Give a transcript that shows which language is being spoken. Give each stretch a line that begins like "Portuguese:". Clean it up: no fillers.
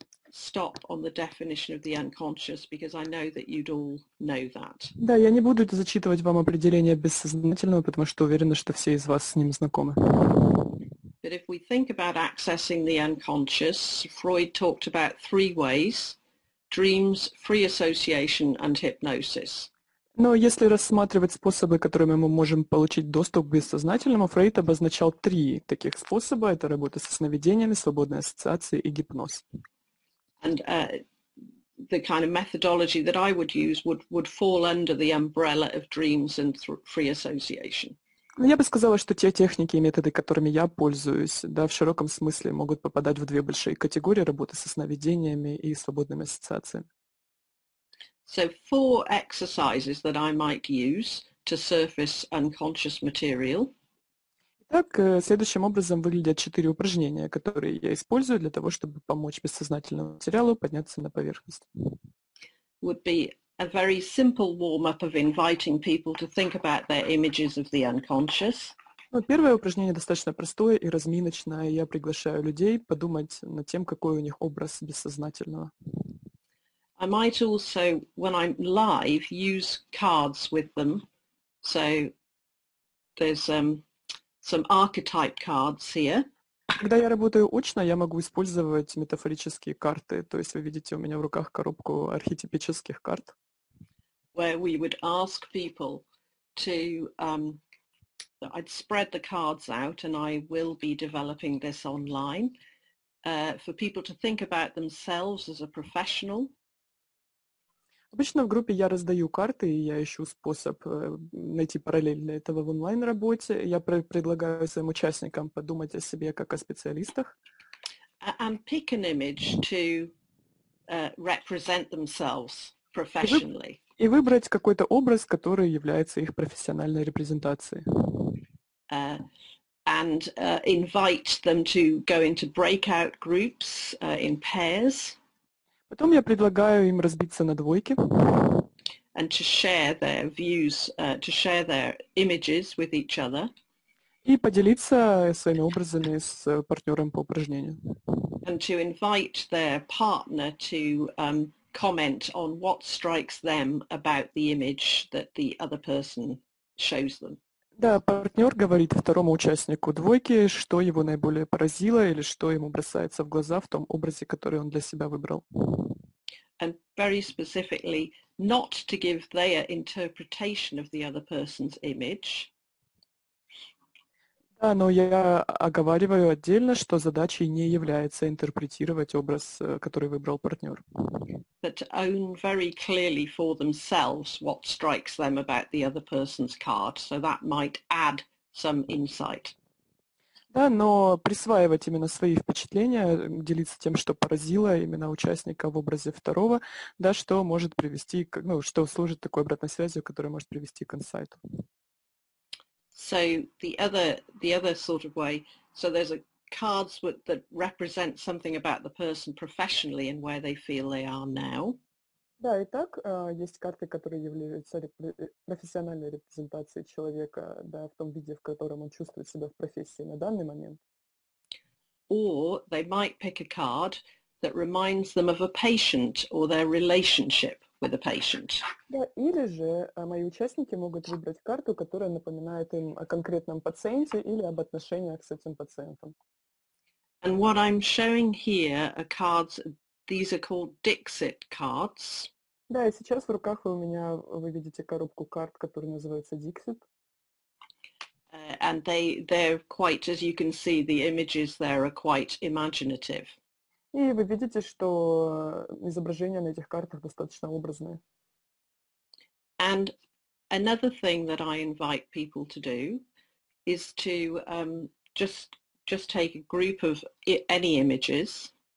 English: stop on the definition of the unconscious because I know that you'd all know that.
Russian: Да, я не буду зачитывать вам определение бессознательного, потому что уверена, что все из вас с ним знакомы.
English: But if we think about accessing the unconscious, Freud talked about three ways: dreams, free association, and hypnosis.
Russian: Но если рассматривать способы, которыми мы можем получить доступ к бессознательному, Фрейд обозначал три таких способа. Это работа со сновидениями, свободные ассоциации и гипноз.
English: And the kind of methodology that I would use would fall under the umbrella of dreams and free association.
Russian: Но я бы сказала, что те техники и методы, которыми я пользуюсь, да, в широком смысле могут попадать в две большие категории: работы со сновидениями и свободными ассоциациями.
English: So four exercises that I might use to surface unconscious material.
Russian: Так, следующим образом выглядят четыре упражнения, которые я использую для того, чтобы помочь бессознательному материалу подняться на поверхность.
English: Would be a very simple warm-up of inviting people to think about their images of the unconscious.
Russian: Ну, первое упражнение достаточно простое и разминочное. Я приглашаю людей подумать над тем, какой у них образ бессознательного.
English: I might also, when I'm live, use cards with them. So there's some archetype cards here.
Russian: Когда я работаю очно, я могу использовать метафорические карты. То есть вы видите у меня в руках коробку архетипических карт.
English: Where we would ask people to, I'd spread the cards out, and I will be developing this online, for people to think about themselves as a professional.
Russian: Обычно в группе я раздаю карты, и я ищу способ найти параллель для этого в онлайн-работе. Я предлагаю своим участникам подумать о себе как о специалистах.
English: And pick an image to represent themselves professionally.
Russian: И выбрать какой-то образ, который является их профессиональной репрезентацией.
English: Invite them to go into breakout groups in pairs.
Russian: Потом я предлагаю им разбиться на двойки.
English: And to share their views, to share their images with each other.
Russian: И поделиться своими образами с партнером по упражнению.
English: And to invite their partner to comment on what strikes them about the image that the other person shows them.
Russian: Да, партнер говорит второму участнику двойки, что его наиболее поразило или что ему бросается в глаза в том образе, который он для себя выбрал.
English: And very specifically, not to give their interpretation of the other person's image.
Russian: Да, но я оговариваю отдельно, что задачей не является интерпретировать образ, который выбрал партнер.
English: But to own very clearly for themselves what strikes them about the other person's card, so that might add some insight.
Russian: Да, но присваивать именно свои впечатления, делиться тем, что поразило именно участника в образе второго, да, что может привести, ну, что служит такой обратной связью, которая может привести к инсайту.
English: So the other sort of way, so there's a cards that represent something about the person professionally and where they feel they are now.
Russian: Да, и так есть карты, которые являются профессиональной репрезентацией человека, да, в том виде, в котором он чувствует себя в профессии на данный момент.
English: Or they might pick a card that reminds them of a patient or their relationship with a patient.
Russian: Да, или же мои участники могут выбрать карту, которая напоминает им о конкретном пациенте или об отношениях с этим пациентом.
English: And what I'm showing here are cards. These are called Dixit cards.
Russian: Да, и сейчас в руках у меня вы видите коробку карт, которая называется Dixit.
English: And they're quite, as you can see, the images there are quite imaginative.
Russian: И вы видите, что изображения на этих картах достаточно образные.
English: And another thing that I invite people to do is to just take a group of any images.